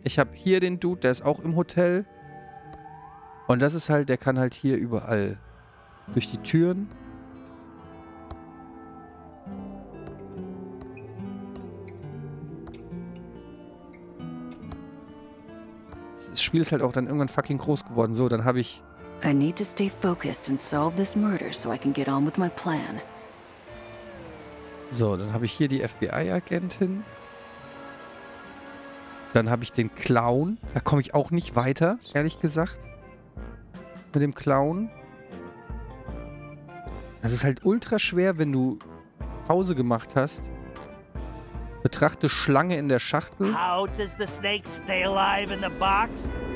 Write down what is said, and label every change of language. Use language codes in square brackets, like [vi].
[de] Ich habe hier den Dude, der ist auch im Hotel. Und das ist halt, der kann halt hier überall durch die Türen. Das Spiel ist halt auch dann irgendwann fucking groß geworden. So, dann habe ich... [en] I need to stay focused and solve this murder so I can get on with my plan. [de] So, dann habe ich hier die FBI-Agentin. Dann habe ich den Clown. Da komme ich auch nicht weiter, ehrlich gesagt. Mit dem Clown. Das ist halt ultra schwer, wenn du Pause gemacht hast. Betrachte Schlange in der Schachtel. [en] How does the snake stay alive in the box?